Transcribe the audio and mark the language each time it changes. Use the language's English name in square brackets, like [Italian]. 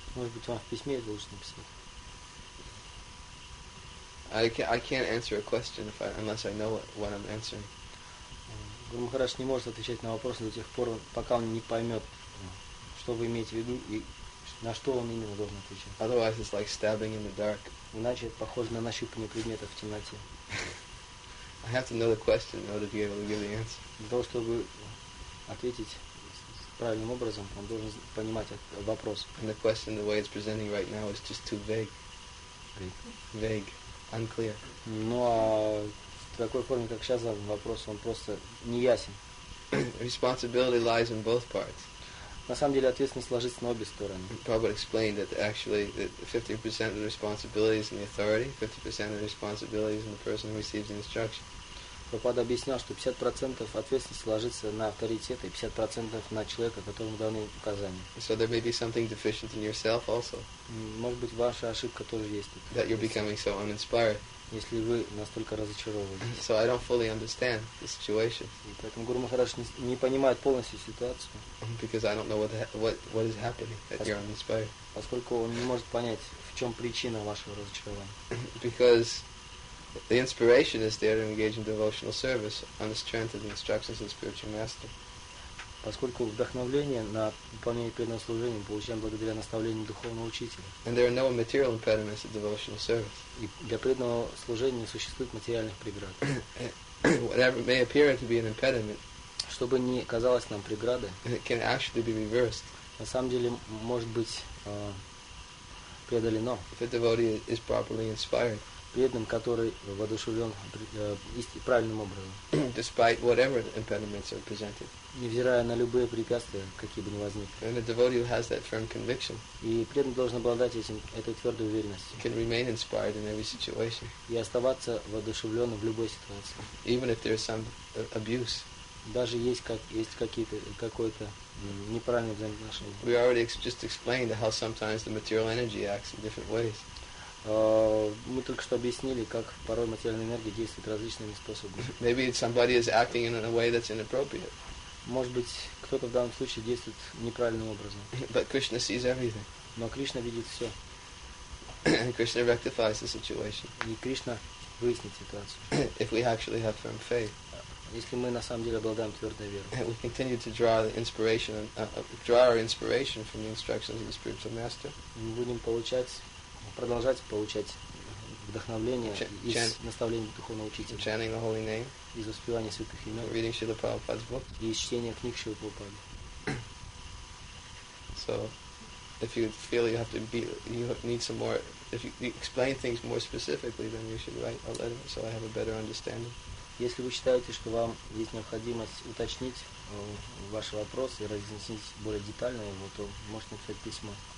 [Russian] Может быть, вам в письме должен написать. [English] I can't answer a question unless I know what I'm answering. [Russian] Гуру Махарадж не может отвечать на вопросы до тех пор, пока он не поймет, что вы имеете в виду и на что он именно должен отвечать. [English] Otherwise, it's like stabbing in the dark. [Russian] Иначе это похоже на нащупывание предметов в темноте. [English] I have to know the question in order to be able to give the answer. [Russian] Для того, чтобы ответить правильным образом, он должен понимать вопрос. [English] And the question, the way it's presenting right now, is just too vague. Vague, unclear. [Russian] Ну, а в такой форме, как сейчас задан вопрос, он просто неясен. [English] Responsibility lies in both parts. [Russian] На самом деле, ответственность ложится на обе стороны. [English] Prabhupada explained that actually 50% of the responsibility is in the authority, 50% of the responsibility is in the person who receives the instruction. [Russian] Прабхупада объяснял, что 50% ответственности ложится на авторитет и 50% на человека, которому даны указания. [English] So there may be something deficient in yourself also. [Russian] Может быть, ваша ошибка тоже есть тут. [English] That you're becoming so uninspired. [Russian] Если вы настолько разочарованы. [English] So I don't fully understand the situation. [Russian] Поэтому Гуру Махарадж не понимает полностью ситуацию. [English] Because I don't know what is happening, that you're uninspired. [Russian] Поскольку он не может понять, в чем причина вашего разочарования. [English] Because the inspiration is there to engage in devotional service on the strength of the instructions of the spiritual master. [Russian] Поскольку вдохновление на выполнение преданного служения получаем благодаря наставлению духовного учителя. [English] And there are no material impediments to devotional service. [Russian] И для преданного служения не существует материальных преград. [English] Whatever may appear to be an impediment, [Russian] чтобы не казалось нам преградой, [English] can actually be reversed. [Russian] На самом деле может быть преодолено. [English] If a devotee is properly inspired. [Russian] Преданным, который воодушевлен правильным образом. [English] Despite whatever impediments are presented. [Russian] Невзирая на любые препятствия, какие бы ни возникли. [English] And a devotee who has that firm conviction. [Russian] И преданный должен обладать этой твердой уверенностью. [English] Can remain inspired in every situation. [Russian] И оставаться воодушевленным в любой ситуации. [English] Even if there is some abuse. [Russian] Даже есть какое-то неправильное взаимоотношение. [English] We already just explained how sometimes the material energy acts in different ways. [Russian] Мы только что объяснили, как порой материальная энергия действует различными способами. [English] Maybe somebody is acting in a way that's inappropriate. [Russian] Может быть, кто-то в данном случае действует неправильным образом. [English] But Krishna sees everything. [Russian] Но Кришна видит все. [English] Krishna rectifies the situation. [Russian] И Кришна выяснит ситуацию. [English] If we actually have firm faith. [Russian] Если мы на самом деле обладаем твердой верой. [English] We continue to draw the inspiration, draw our inspiration from the instructions of the spiritual master. [Russian] Мы будем продолжать получать вдохновление из наставлений духовного учителя. [English] Chanting the holy name. [Russian] Из воспевания святых имен. [English] Reading Śrīla Prabhupāda's book. [Russian] И из чтения книг Śrīla Prabhupāda. [English] So, if you feel you have to be, you need some more, if you explain things more specifically, then you should write a letter so I have a better understanding. [Russian] Если вы считаете, что вам есть необходимость уточнить ваш вопрос и разъяснить более детально его, то можете написать письмо.